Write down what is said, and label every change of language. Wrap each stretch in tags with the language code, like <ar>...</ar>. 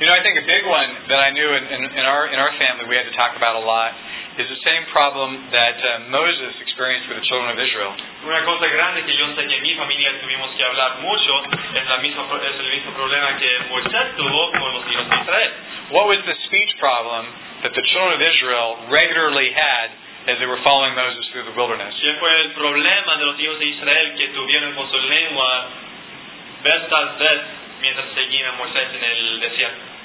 <en>You know, I think a big one that I knew in our family we had to talk about a lot is the same problem that Moses experienced with the children of Israel.</en> <es>Una cosa grande que yo sé que en mi familia tuvimos que hablar mucho es el mismo problema que Moisés tuvo con los hijos de Israel.</es> <en>What was the speech problem that the children of Israel regularly had as they were following Moses through the wilderness.</en> <es>¿Qué fue el problema de los hijos de Israel que tuvieron con su lengua vez tras vez mientras seguían a Moisés en el desierto?</es>